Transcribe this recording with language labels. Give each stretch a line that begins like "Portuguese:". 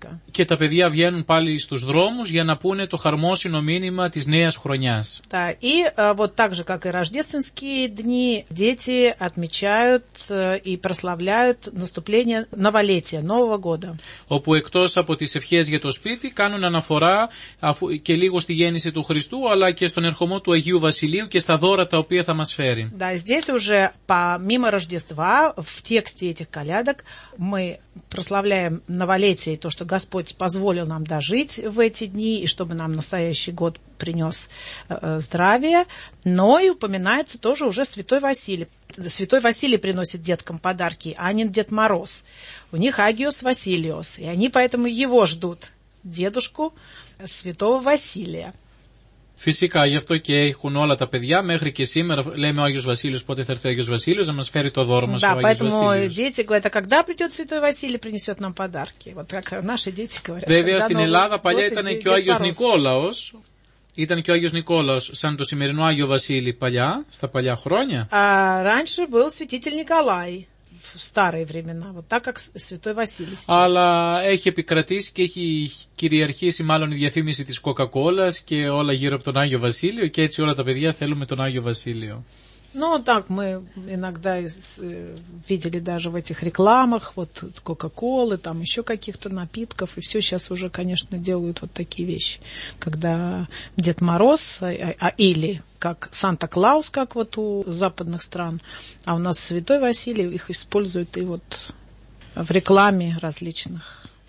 Greek: Και τα παιδιά βγαίνουν πάλι στους δρόμους για να πούνε το χαρμόσυνο μήνυμα της νέας χρονιάς.
Russian: И вот так же, как и рождественские дни, дети отмечают и прославляют наступление новолетия, Нового года.
Greek: Όπου εκτός από τις ευχές για το σπίτι, κάνουν αναφορά και λίγο στη γέννηση του Χριστού, αλλά και στον ερχομό του Αγίου Βασιλείου και στα δώρα τα οποία θα μας φέρει.
Russian: Да, здесь уже помимо Рождества, в тексте этих колядок, мы прославляем новолетие и то, что Господь позволил нам дожить в эти дни, и чтобы нам настоящий год принес здравие, но и упоминается тоже уже Святой Василий. Святой Василий приносит деткам подарки, а не Дед Мороз. У них Агиос Василиос, и они поэтому его ждут, дедушку Святого Василия.
Greek: Φυσικά, γι' αυτό και έχουν όλα τα παιδιά, μέχρι και σήμερα λέμε ο Άγιος Βασίλειος, πότε θα έρθει ο Άγιος Βασίλειος, να μας φέρει το δώρο μας ο Άγιος Βασίλειος.
Russian: Да, поэтому дети говорят, когда придет Святой Василий, принесет нам подарки. Вот как наши дети говорят.
Greek: Βέβαια, στην Ελλάδα παλιά ήταν και ο Άγιος Νικόλαος. Ήταν και ο Άγιος Νικόλαος, σαν το σημερινό Άγιο Βασίλη παλιά, στα παλιά χρόνια.
Russian: Раньше был святитель Николай. В старые времена, вот так как Святой Василий сейчас.
Greek: Αλλά έχει επικρατήσει και έχει κυριαρχήσει μάλλον η διαφήμιση της Coca-Cola's και όλα γύρω από τον Άγιο Βασίλειο και έτσι όλα τα παιδιά θέλουμε τον Άγιο Βασίλειο.
Russian: Ну, так мы иногда видели даже в этих рекламах вот Coca-Cola, там еще каких-то напитков, и все сейчас уже, конечно, делают вот такие вещи, когда Дед Мороз, или как Санта-Клаус, как вот у западных стран, а у нас Святой Василий, их используют и вот в рекламе различных.